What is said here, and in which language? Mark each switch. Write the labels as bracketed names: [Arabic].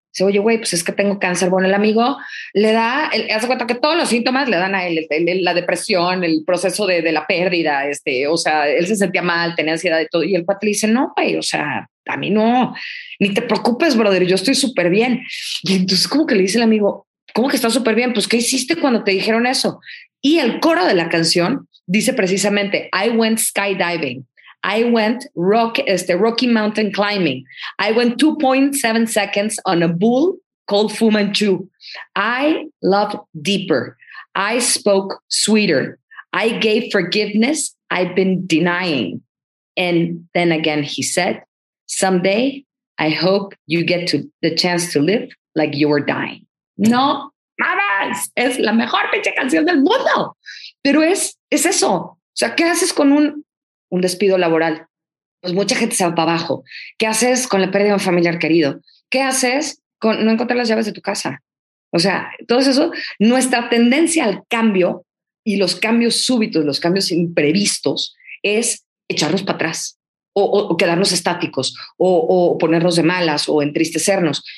[Spanish] Dice, oye, güey, pues es que tengo cáncer. Bueno, el amigo le da, hace cuenta que todos los síntomas le dan a él, la depresión, el proceso de la pérdida, o sea, él se sentía mal, tenía ansiedad y todo. Y el cuate le dice, no, güey, o sea, a mí no, ni te preocupes, brother, yo estoy súper bien. Y entonces como que le dice el amigo, ¿cómo que estás súper bien? Pues, ¿qué hiciste cuando te dijeron eso? Y el coro de la canción dice precisamente, [English] I went skydiving. I went Rocky Mountain climbing. I went 2.7 seconds on a bull called Fu Manchu. I loved deeper. I spoke sweeter. I gave forgiveness I've been denying. And then again, he said, someday I hope you get to the chance to live like you were dying. [Spanish] No mames, es la mejor pinche canción del mundo. Pero es eso. O sea, ¿qué haces con un despido laboral? Pues mucha gente se va para abajo. ¿Qué haces con la pérdida de un familiar querido? ¿Qué haces con no encontrar las llaves de tu casa? O sea, todo eso, nuestra tendencia al cambio y los cambios súbitos, los cambios imprevistos, es echarnos para atrás o quedarnos estáticos o ponernos de malas o entristecernos.